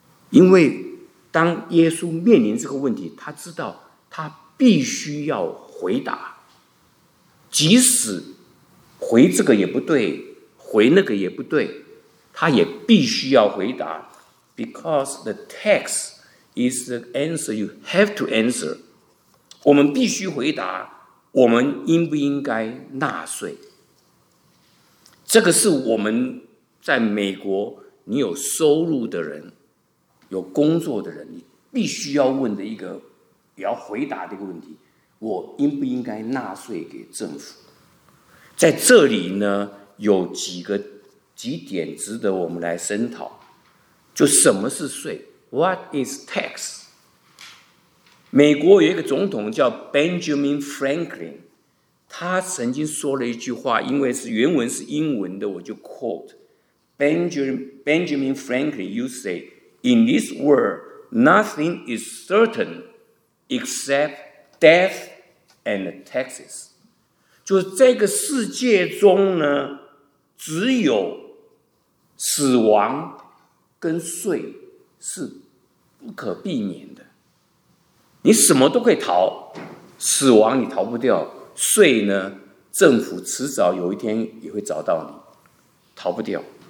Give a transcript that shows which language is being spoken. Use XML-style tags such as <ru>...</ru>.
<zh>因为当耶稣面临这个问题，他知道他必须要回答，即使回这个也不对，回那个也不对，他也必须要回答。</zh> <en>Because the text is the answer you have to answer.</en> <zh>我们必须回答我们应不应该纳税。这个是我们在美国，你有收入的人，有工作的人，你必须要问的一个，也要回答的一个问题，我应不应该纳税给政府。在这里呢，有几点值得我们来深讨。就什么是税？</zh> <en>What is tax?</en> <zh>美国有一个总统叫 Benjamin Franklin， 他曾经说了一句话，因为是原文是英文的，我就 quote。</zh> <en>Benjamin Franklin used to say, In this world, nothing is certain except death and taxes.</en> <zh>就是这个世界中呢，只有死亡跟税是不可避免的。你什么都可以逃，死亡你逃不掉，税呢，政府迟早有一天也会找到你，逃不掉。</zh>